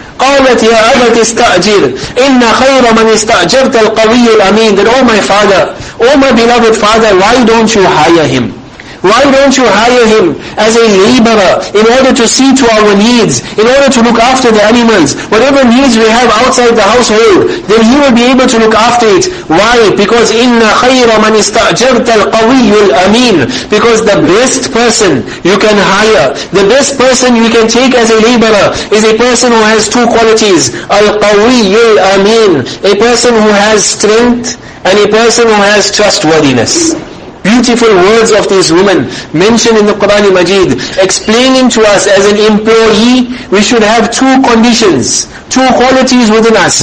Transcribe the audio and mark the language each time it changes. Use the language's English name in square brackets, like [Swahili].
[Arabic] قَالَتْ يَا أَبَتِ اسْتَأْجِرْ. إِنَّ خَيْرَ مَنِ اسْتَأْجَرْتَ الْقَوِيُّ الْأَمِينَ. [English] That, oh my father, oh my beloved father, why don't you hire him? Why don't you hire him as a laborer in order to see to our needs, in order to look after the animals? Whatever needs we have outside the household, then he will be able to look after it. Why? Because [Arabic] إِنَّ خَيْرَ مَنِ اسْتَأْجَرْتَ الْقَوِيُّ الْأَمِينَ. [English] Because the best person you can hire, the best person you can take as a laborer, is a person who has two qualities. [Arabic] الْقَوِيُّ الْأَمِينَ. [English] A person who has strength and a person who has trustworthiness. Beautiful words of these women mentioned in the Quran Majid, explaining to us as an employee, we should have two conditions, two qualities within us.